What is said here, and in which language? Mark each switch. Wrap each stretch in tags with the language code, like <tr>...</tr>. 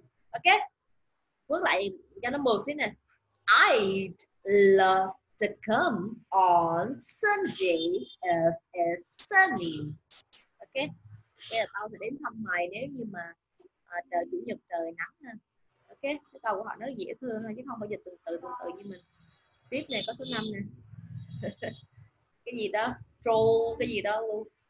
<vi>Ok, bước lại cho nó mượt xíu nè.</vi> <en>I'd love to come on Sunday if it's sunny.</en> <vi>Ok, bây giờ tao sẽ đến thăm mày nếu như mà trời chủ nhật trời nắng ha. Ok, cái câu của họ nó dễ thương thôi chứ không bao giờ từng từ như mình. Tiếp này có số 5 nè. Cái gì đó troll cái gì đó luôn.</vi>